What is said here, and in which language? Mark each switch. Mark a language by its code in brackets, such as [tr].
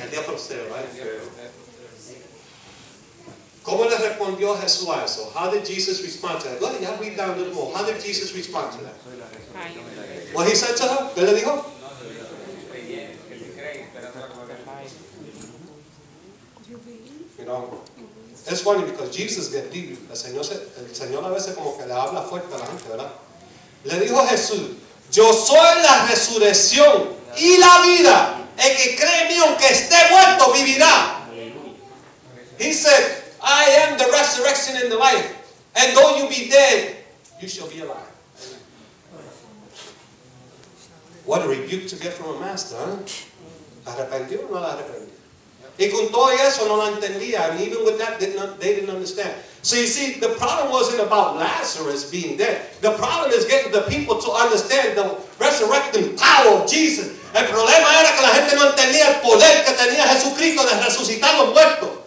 [es] el día postero, ¿cómo le respondió Jesús a eso? [en] How did Jesus respond to that? Go ahead, y'all read down a little more. How did Jesus respond to that? What he said to her? [es] ¿Qué le dijo? [en] It's funny because Jesus gets deep. [es] El Señor a veces como que le habla fuerte a la gente, ¿verdad? Le dijo a Jesús, yo soy la resurrección y la vida. El que cree en mí, aunque esté muerto, vivirá. [en] He said, I am the resurrection and the life. And though you be dead, you shall be alive. What a rebuke to get from a master, huh? [es] ¿Arrepentió o no la arrepentió? Y con todo eso no la entendía. [en] And even with that, they didn't understand. So you see, the problem wasn't about Lazarus being dead. The problem is getting the people to understand the resurrecting power of Jesus. [es] El problema era que la gente no entendía el poder que tenía Jesucristo de resucitar los muertos.